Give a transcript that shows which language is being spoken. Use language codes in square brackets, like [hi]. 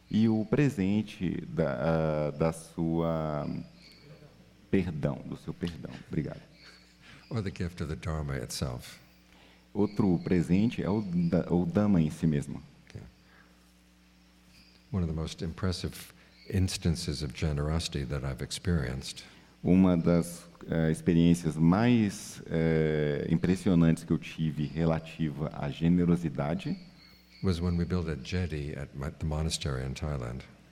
[pt] E o presente da sua perdão, do seu perdão. Obrigado. [en] Or the gift of the Dharma itself. [pt] Outro presente é o Dhamma em si mesmo. [en] One of the most impressive instances of generosity that I've experienced. [pt] Uma das experiências mais impressionantes que eu tive relativa à generosidade [en] was when we built a jetty at the monastery in Thailand.